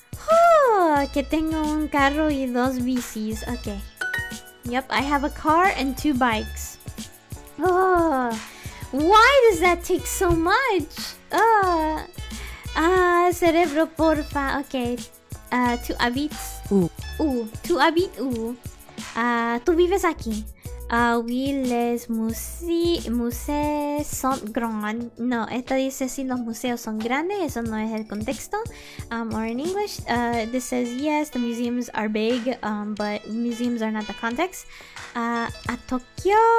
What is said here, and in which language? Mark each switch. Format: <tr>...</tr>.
<es>Oh, que tengo un carro y dos bicis.</es> <en>Okay. Yep, I have a car and two bikes. Oh, why does that take so much?</en> <es>Cerebro, porfa. Okay.</es> <fr>Tu habites où? Tu habites où?</fr> <es>Tu vives aquí.</es> <fr>Oui, les musées sont grands.</fr> <es>No, esto dice si los museos son grandes. Eso no es el contexto.</es> <en>Or in English, this says yes, the museums are big, but museums are not the context. A Tokyo,</en>